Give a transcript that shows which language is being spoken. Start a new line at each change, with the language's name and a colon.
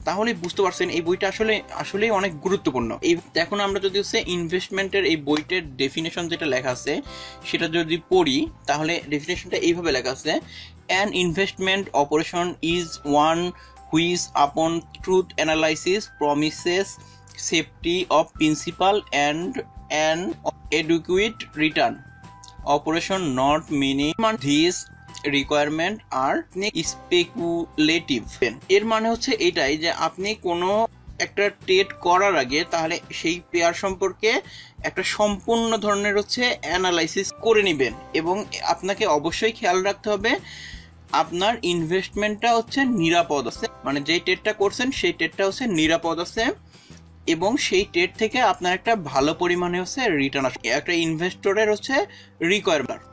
Bangla: তাহলে বুঝতে পারছেন এই বইটা আসলে আসলেই অনেক গুরুত্বপূর্ণ। এই এখন আমরা যদি হচ্ছে ইনভেস্টমেন্টের এই বইটার ডেফিনেশন যেটা লেখা আছে সেটা যদি পড়ি, তাহলে ডেফিনেশনটা এইভাবে লেখা আছে:
English: An investment operation is one which upon truth analysis promises safety of principal and an adequate return. Operation not meaning this requirement are speculative.
Bangla: এর মানে হচ্ছে এটাই যে আপনি কোনো একটা ট্রেড করার আগে তাহলে সেই পেয়ার সম্পর্কে একটা সম্পূর্ণ ধরনের হচ্ছে অ্যানালাইসিস করে নেবেন, এবং আপনাকে অবশ্যই খেয়াল রাখতে হবে আপনার ইনভেস্টমেন্টটা হচ্ছে নিরাপদ আছে, মানে যে ট্রেডটা করছেন সেই ট্রেডটা হচ্ছে নিরাপদ আছে, এবং সেই ট্রেড থেকে আপনার একটা ভালো পরিমাণে হচ্ছে রিটার্ন আসে, একটা ইনভেস্টরের হচ্ছে রিকোয়ারমেন্ট।